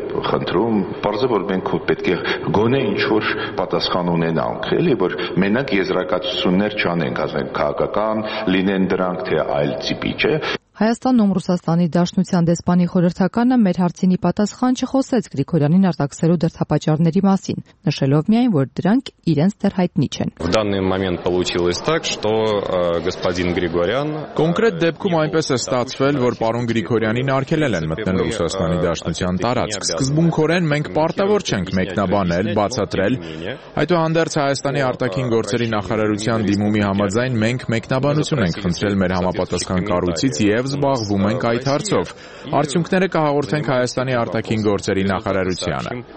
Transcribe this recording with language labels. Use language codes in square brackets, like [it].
[hy] խնդրում, պարզը, որ մենք պետք է գոնե ինչ-որ պատասխան ունենանք, էլի, որ մենակ եզրակացություններ չանենք, ասենք, քաղաքական լինեն դրանք, թե այլ տիպի, չէ։ Հայաստանում Ռուսաստանի Դաշնության դեսպանի խորհրդականը մեր հարցինի պատասխան չխոսեց Գրիգորյանին արտաքսելու դրդապատճառների մասին, նշելով միայն, որ դրանք իրենց դեռ հայտնի չեն։ [ru] В данный момент получилось так, что господин Григорян [hy] Կոնկրետ դեպքում այնպես է ստացվել, որ պարոն Գրիգորյանին արգելել են մտնել Ռուսաստանի Դաշնության տարածք։ Սկզբունքորեն մենք պարտավոր չենք մեկնաբանել, բացատրել։ Այդուհանդերձ Հայաստանի արտաքին գործերի նախարարության դիմումի համաձայն մենք մեկնաբանություն ենք խնդրել մեր համապատասխան կառույցից և զբաղվում ենք այդ հարցով։ Արդյունքները կհաղորդենք Հայաստանի արտաքին գործերի նախարարությանը։